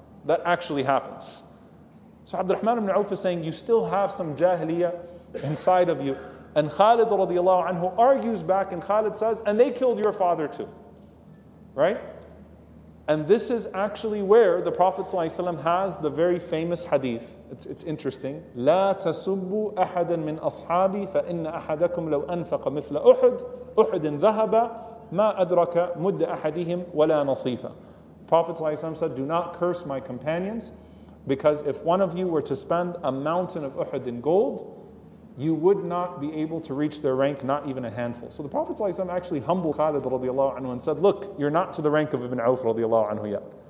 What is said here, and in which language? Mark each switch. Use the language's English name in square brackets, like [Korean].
[English] That actually happens. So Abd al-Rahman ibn Auf is saying, you still have some jahiliyyah inside of you. And Khalid radiallahu anhu argues back, and Khalid says, and they killed your father too. Right? And this is actually where the Prophet ﷺ has the very famous hadith. It's interesting. [Arabic] لا تسبوا أحدا من أصحابي فإن أحدكم لو أنفق مثل أحد أحد ذهبا مَا أَدْرَكَ مُدَّ أَحَدِهِمْ وَلَا نَصِيفًا. [English] Prophet ﷺ said, do not curse my companions, because if one of you were to spend a mountain of Uhud in gold, you would not be able to reach their rank, not even a handful. So the Prophet ﷺ actually humbled Khalid radiallahu anhu and said, look, you're not to the rank of Ibn Auf radiallahu anhu yet.